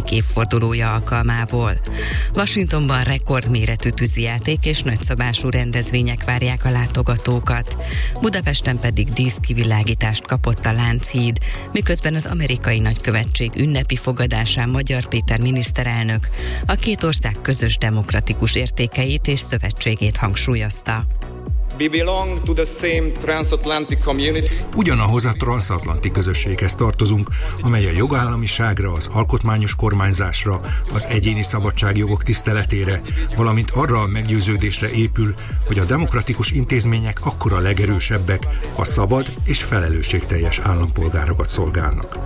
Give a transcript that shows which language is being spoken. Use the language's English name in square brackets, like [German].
[Hungarian] évfordulója alkalmából. Washingtonban rekordméretű tűzijáték és nagyszabású rendezvények várják a látogatókat. Budapesten pedig díszkivilágítást kapott a Lánchíd, miközben az amerikai nagykövetség ünnepi fogadásán Magyar Péter miniszterelnök a két ország közös demokratikus értékeit és szövetségét hangsúlyozta. [English] We belong to the same transatlantic community. [Hungarian] Ugyanahhoz a transatlanti közösséghez tartozunk, amely a jogállamiságra, az alkotmányos kormányzásra, az egyéni szabadságjogok tiszteletére, valamint arra a meggyőződésre épül, hogy a demokratikus intézmények akkora legerősebbek, ha szabad és felelősségteljes állampolgárokat szolgálnak.